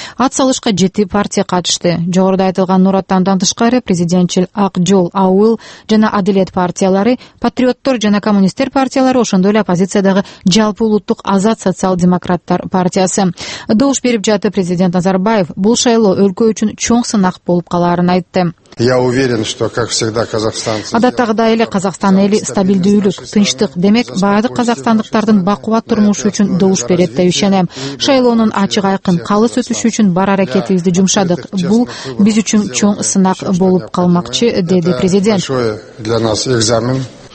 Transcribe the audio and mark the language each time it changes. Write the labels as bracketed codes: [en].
[ky] Ат салышка 7 партия катышты. Жогоруда айтылган Нур Отандан тышкары президентчил Ак жол, АУЛ жана Адилет партиялары, Патриоттор жана Коммунисттер партиялары ошондой эле оппозицияда жалпы улуттук Азат Социал-демократтар партиясы. Добуш берип жатып президент Назарбаев бул шайлоо өлкө үчүн чоң сынак болуп калаарын айтты. [ru] Я уверен, что как всегда казахстанцы. [ky] Адаттагыдай эле Казакстан эли стабилдүүлүк, тынчтык, демек баардык казакстандыктардын бакубат турмушу үчүн добуш берет деп ишенем. Шайлоонун ачык айкын калыс өтүшү үчүн бар аракетибизди жумшадык. Бул биз үчүн чоң сынак болуп калмакчы, деди президент. [ru] Для нас экзамен.